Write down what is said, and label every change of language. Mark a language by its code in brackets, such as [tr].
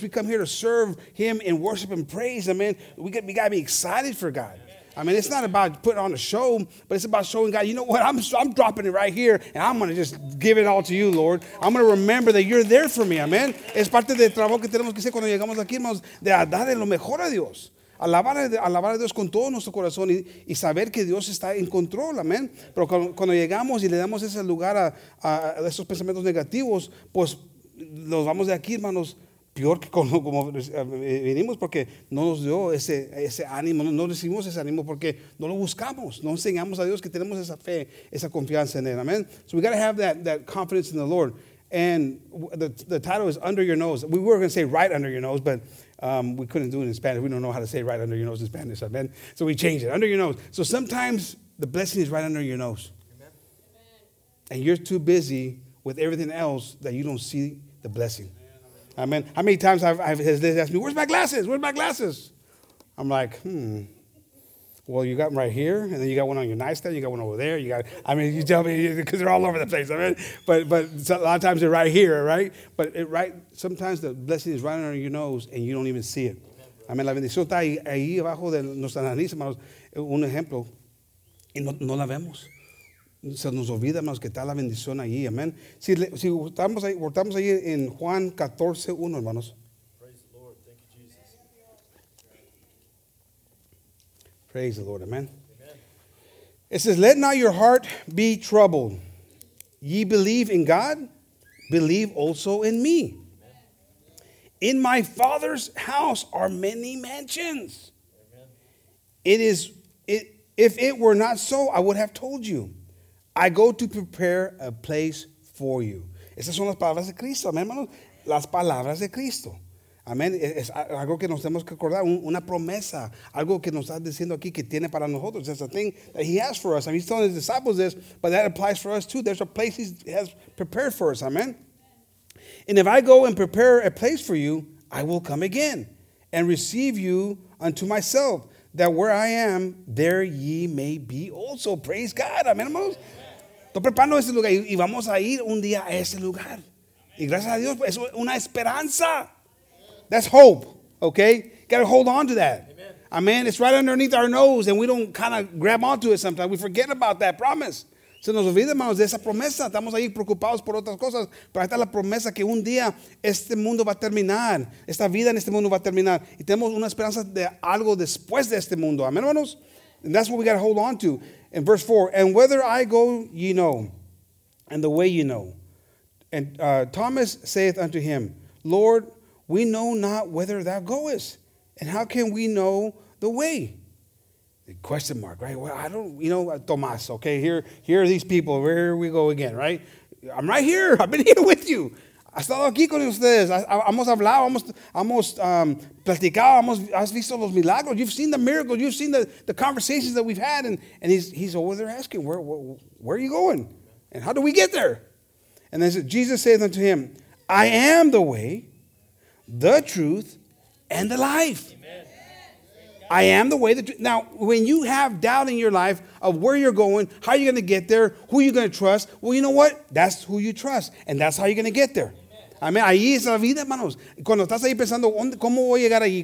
[en] We come here to serve him in worship and praise. Amén. We got to be excited for God. I mean, it's not about putting on a show, but it's about showing God, you know what, I'm dropping it right here, and I'm going to just give it all to you, Lord. I'm going to remember that you're there for me, amen. [es] Es parte del trabajo que tenemos que hacer cuando llegamos aquí, hermanos, de dar lo mejor a Dios. Alabar a Dios con todo nuestro corazón y saber que Dios está en control, amen. Pero cuando llegamos y le damos ese lugar a esos pensamientos negativos, pues nos vamos de aquí, hermanos, peor que como venimos, porque no nos dio ese ánimo, no recibimos ese ánimo porque no lo buscamos, no enseñamos a Dios que tenemos esa fe, esa confianza en él. Amen. [en] So we got to have that confidence in the Lord. And the title is Under Your Nose. We were going to say Right Under Your Nose, but we couldn't do it in Spanish. We don't know how to say Right Under Your Nose in Spanish. Amen. So we changed it. Under Your Nose. So sometimes the blessing is right under your nose. Amen. And you're too busy with everything else that you don't see the blessing. Amen. How many times has Liz asked me, where's my glasses? Where's my glasses? I'm like, Well, you got them right here, and then you got one on your nightstand, you got one over there. You tell me, because they're all over the place. Amen. But a lot of times they're right here, right? But sometimes the blessing is right under your nose, and you don't even see it. [es] Amen. La bendición está ahí abajo de nuestra nariz, hermanos. Un ejemplo. Y no la vemos. Se nos olvida, hermanos, que está la bendición allí. Amén. Si estamos ahí en Juan 14, 1, hermanos. [en] Praise the Lord. Thank you, Jesus. Praise the Lord. Amen. It says, let not your heart be troubled. Ye believe in God, believe also in me. Amen. In my Father's house are many mansions. Amen. If it were not so, I would have told you. I go to prepare a place for you. [es] Esas son las palabras de Cristo, amén, hermanos. Las palabras de Cristo. Amén. Es algo que nos tenemos que acordar, una promesa. Algo que nos está diciendo aquí que tiene para nosotros. [en] It's a thing that he has for us. I mean, he's telling his disciples this, but that applies for us too. There's a place he has prepared for us, amén. And if I go and prepare a place for you, I will come again and receive you unto myself, that where I am, there ye may be also. Praise God. Amen, hermanos. [es] Estoy preparando ese lugar y vamos a ir un día a ese lugar. Y gracias a Dios, es una esperanza. [en] That's hope, okay? Got to hold on to that. Amen. It's right underneath our nose, and we don't kind of grab onto it sometimes. We forget about that promise. [es] Se nos olvida, hermanos, de esa promesa. Estamos ahí preocupados por otras cosas. Pero ahí está la promesa que un día este mundo va a terminar. Esta vida en este mundo va a terminar. Y tenemos una esperanza de algo después de este mundo. Amén, hermanos. [en] And that's what we got to hold on to. In verse 4, and whether I go, ye know, and the way ye know. And Thomas saith unto him, Lord, we know not whether thou goest. And how can we know the way? Question mark, right? Well, I don't, you know, Tomas, okay, here are these people. Here we go again, right? I'm right here. I've been here with you. [es] I estado aquí con ustedes. Hemos hablado, hemos platicado, has visto los milagros. [en] You've seen the miracles. You've seen the conversations that we've had. And he's over there asking, where are you going? And how do we get there? And then Jesus saith unto him, I am the way, the truth, and the life. Amen. I am the way. Now, when you have doubt in your life of where you're going, how you're going to get there, who you're going to trust, well, you know what? That's who you trust, and that's how you're going to get there. [es] Amen. Ahí es la vida, hermanos. Cuando estás ahí pensando, ¿cómo voy a llegar allí?